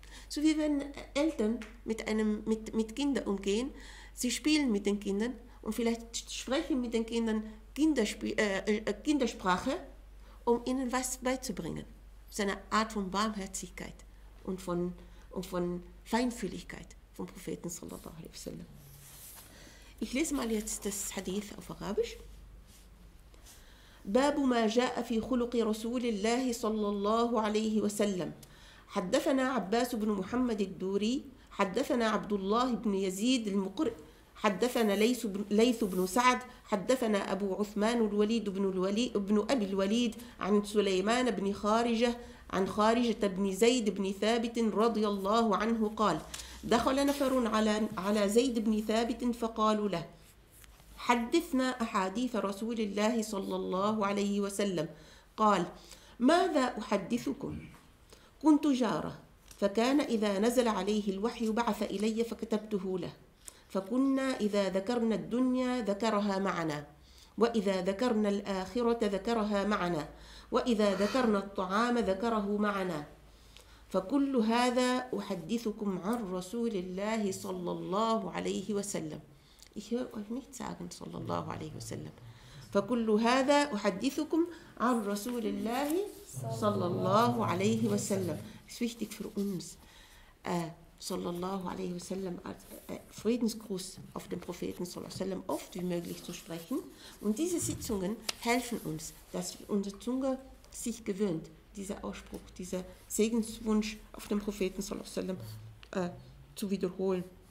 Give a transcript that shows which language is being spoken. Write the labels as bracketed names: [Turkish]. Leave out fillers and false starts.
[German] So wie wenn Eltern mit Kindern umgehen, sie spielen mit den Kindern und vielleicht sprechen mit den Kindern Kindersprache, um ihnen was beizubringen. Seine Art von Barmherzigkeit und von Feinfühligkeit vom Propheten sallallahu alaihi wasallam. Ich lese mal jetzt das Hadith auf Arabisch. [Arabic] باب ما جاء في خلق رسول الله صلى الله عليه وسلم حدثنا عباس بن محمد الدوري حدثنا عبد الله بن يزيد المقرئ حدثنا ليث بن سعد حدثنا أبو عثمان الوليد بن أبي الوليد عن سليمان بن خارجة عن خارجة بن زيد بن ثابت رضي الله عنه قال دخل نفر على زيد بن ثابت فقالوا له حدثنا أحاديث رسول الله صلى الله عليه وسلم قال ماذا أحدثكم؟ كنت جارة فكان إذا نزل عليه الوحي بعث إلي فكتبته له فكنا إذا ذكرنا الدنيا ذكرها معنا وإذا ذكرنا الآخرة ذكرها معنا وإذا ذكرنا الطعام ذكره معنا فكل هذا أحدثكم عن رسول الله صلى الله عليه وسلم. [German] Ich höre euch nicht sagen, sallallahu alaihi wasallam. [Arabic] فَكُلُّ هَذَا أُحَدِّثُكُمْ عَنْ رَسُولِ اللَّهِ sallallahu alaihi wasallam. [German] Es ist wichtig für uns, sallallahu alaihi wasallam, Friedensgruß auf den Propheten, sallallahu alaihi wasallam, oft wie möglich zu sprechen. Und diese Sitzungen helfen uns, dass unsere Zunge sich gewöhnt, dieser Ausspruch, dieser Segenswunsch auf den Propheten, sallallahu alaihi wasallam, zu wiederholen.